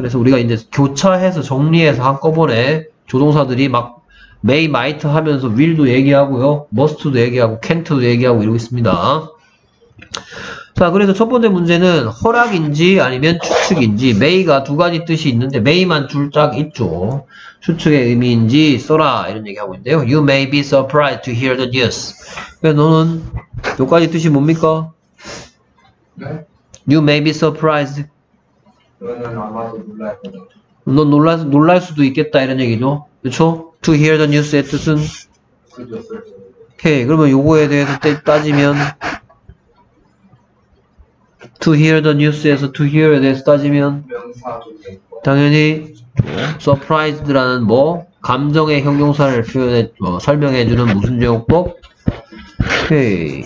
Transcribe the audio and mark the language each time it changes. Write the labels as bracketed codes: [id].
[ko] 그래서 우리가 이제 교차해서 정리해서 한꺼번에 조동사들이 막 may, might 하면서 will도 얘기하고요. must도 얘기하고 can't도 얘기하고 이러고 있습니다. 자, 그래서 첫 번째 문제는 허락인지 아니면 추측인지. may가 두 가지 뜻이 있는데 may만 줄짝 있죠. 추측의 의미인지 써라 이런 얘기하고 있는데요. [en] You may be surprised to hear the news. [ko] 너는 두 가지 뜻이 뭡니까? 네? [en] You may be surprised. [ko] 너는 아마도 놀랄 거다. 너 놀랄 수도 있겠다 이런 얘기죠. 그렇죠? [en] To hear the news [ko] 의 뜻은? 그렇죠. 오케이. 그러면 요거에 대해서 따지면 [en] To hear the news [ko] 에서 To hear에 대해서 따지면 당연히 Surprised라는 뭐 감정의 형용사를 표현해 뭐, 설명해주는 무슨 제목법? 오케이.